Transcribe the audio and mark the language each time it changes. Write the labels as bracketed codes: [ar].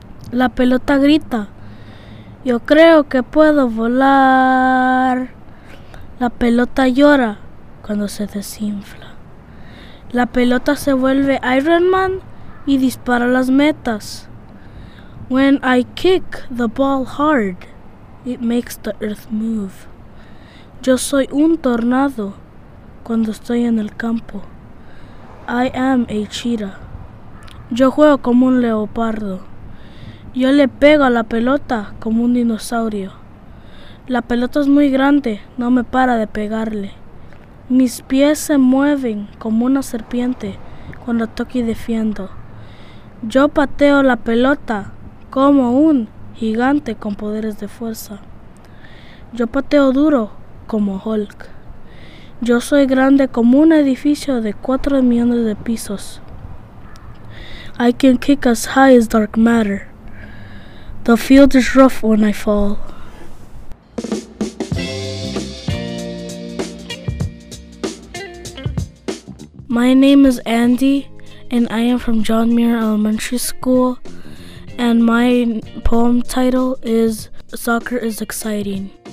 [es] La pelota grita, yo creo que puedo volar. La pelota llora cuando se desinfla. La pelota se vuelve Iron Man y dispara las metas. [en] When I kick the ball hard, it makes the earth move. [es] Yo soy un tornado cuando estoy en el campo. [en] I am a cheetah. [es] Yo juego como un leopardo. Yo le pego a la pelota como un dinosaurio. La pelota es muy grande, no me para de pegarle. Mis pies se mueven como una serpiente cuando toco y defiendo. Yo pateo la pelota como un gigante con poderes de fuerza. Yo pateo duro como Hulk. Yo soy grande como un edificio de 4 millones de pisos. [en] I can kick as high as dark matter. The field is rough when I fall. My name is Andy, and I am from John Muir Elementary School, and my poem title is Soccer is Exciting.